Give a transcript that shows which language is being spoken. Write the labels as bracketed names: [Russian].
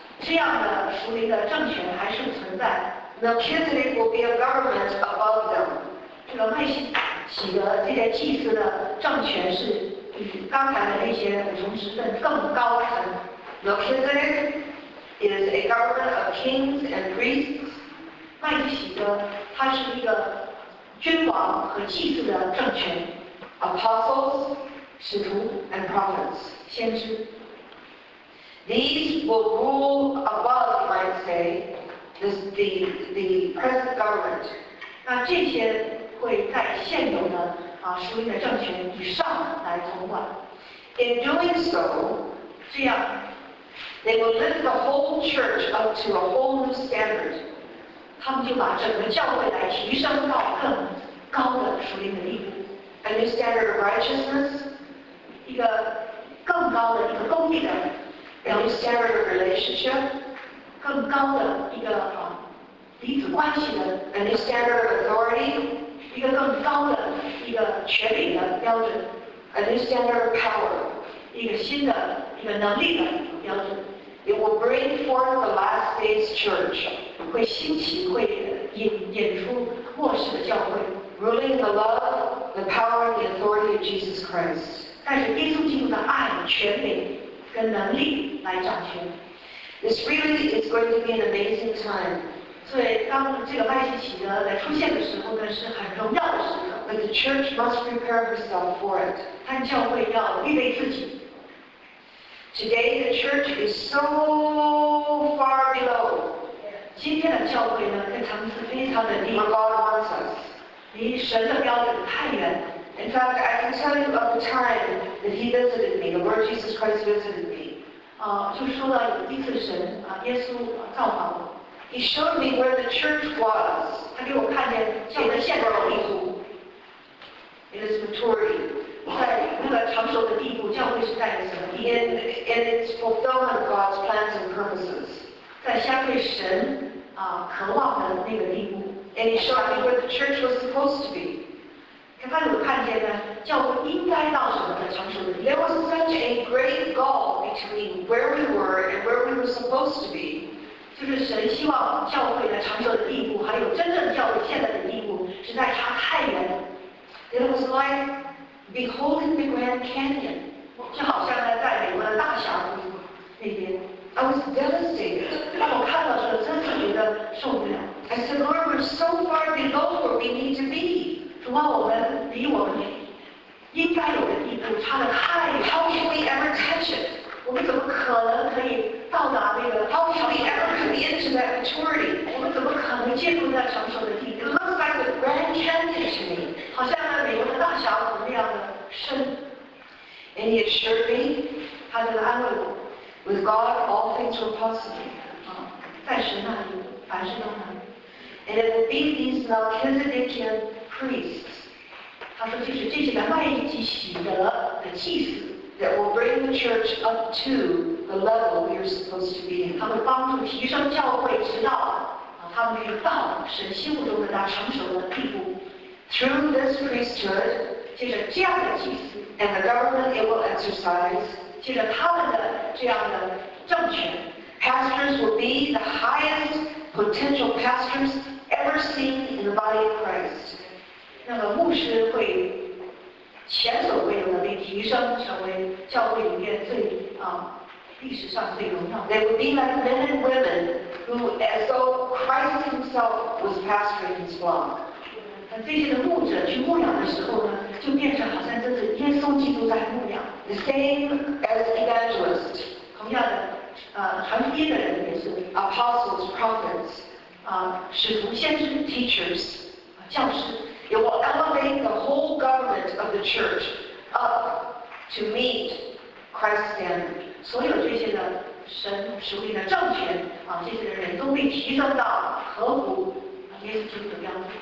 [Chinese] 这样的属灵的政权还是存在。 [English] Melchizedek will be a government above them. [Chinese] 这个麦西洗德这些祭司的政权是比刚才的那些同时分更高层。 [English] Melchizedek is a government of kings and priests. [Chinese] 麦西洗德他是一个君王和祭司的政权。 [English] Apostles. [Chinese] 使徒 [English] and prophets, [Chinese] 先知 [English] These will rule above, might say, the present government. [Chinese] 那这些会在现有的属灵的政权以上来统管。 [English] In doing so, [Chinese] 这样 [English] they will lift the whole church up to a whole new standard. [Chinese] 他们就把整个教会来提升到更高的属灵的地步。 [English] A new standard of righteousness. [Chinese] 一个更高的一个公义的 [English] ，a new standard of relationship， [Chinese] 更高的一个彼此关系的 [English] ，a new standard of authority， [Chinese] 一个更高的一个权柄的标准 [English] ，a new standard of power， [Chinese] 一个新的一个能力的标准。 [English] It will bring forth the last days church， [Chinese] 会兴起会引出末世的教会 [English] ，ruling the love， the power， and the authority of Jesus Christ。 [Chinese] 但是耶稣基督的爱、权柄跟能力来掌权。 [English] This really is going to be an amazing time. [Chinese] 所以当这个麦基洗德来出现的时候呢，是很荣耀的时刻。 [English] But the church must prepare herself for it. [Chinese] 但教会要预备自己。 [English] Today the church is so far below. [Chinese] 今天的教会呢，跟层次非常的低。 [English] Where God wants us. [Chinese] 离神的标准太远。 [English] In fact, I can tell you of the time that he visited me, the Lord Jesus Christ visited me. [Chinese] 就说了一次神耶稣造访我。 [English] He showed me where the church was. [Chinese] 他给我看见教会现在的地图。 [English] It is maturing. [Chinese] 在那个成熟的地步，教会是在什么地步 [English] ？In its fulfillment of God's plans and purposes. [Chinese] 在相对神渴望的那个地步。 [English] And he showed me where the church was supposed to be. [Chinese] 他让我看见呢，教会应该到什么的成熟的地步。 [English] There was such a great gulf between where we were and where we were supposed to be. [Chinese] 就是神希望教会的成熟的地步，还有真正的教会现在的地步，实在差太远了。 [English] It was like beholding the Grand Canyon. [Chinese] 就好像呢，在美国的大峡谷那边。 [English] I was devastated. [Chinese] 让我看到说，真是觉得受不了。 [English] I said, Lord, we're so far below where we need to be. [Chinese] 主啊，我们离我们应该有的地步差得太远。 [English] How can we ever touch it？ [Chinese] 我们怎么可能可以到达那个 [English] ？How can we ever come into that maturity？ [Chinese] 我们怎么可能进入那成熟的地步 [English] ？It looks like the Grand Canyon to me， [Chinese] 好像那美国的大峡谷那样的深。 [English] And he assured me， [Chinese] 他就安慰我。 [English] With God, all things were possible. [Chinese] 在神那里，凡事都能。 [English] And being these Melchizedekian priests, [Chinese] 他说就是这些的外祭洗的的祭司 [English] that will bring the church up to the level we are supposed to be in. [Chinese] 他们帮助提升教会直到他们可以到神心目中的那成熟的地步。 [English] Through this priesthood, [Chinese] 借着这样的祭司 [English] and the government it will exercise, [Chinese] 借着他们的这样的政权。 [English] Pastors will be the highest potential pastors ever seen in the body of Christ. [Chinese] 那么牧师会前所未有的被提升成为教会里面最历史上最荣耀。 [English] They will be like men and women who, as though Christ Himself was pastoring His flock. [Chinese] 那这些的牧者去牧养的时候呢，就变成好像这是耶稣基督在牧养。 [English] The same as evangelists. [Chinese] 同样的。传福音的人也是 [English] apostles, prophets, [Chinese] 使徒、先知、 [English] teachers, [Chinese] 教师。 [English] It will elevate the whole government of the church up to meet Christ's standard. [Chinese] 所有这些的神属灵的政权这些的人都被提升到合乎耶稣基督的标准。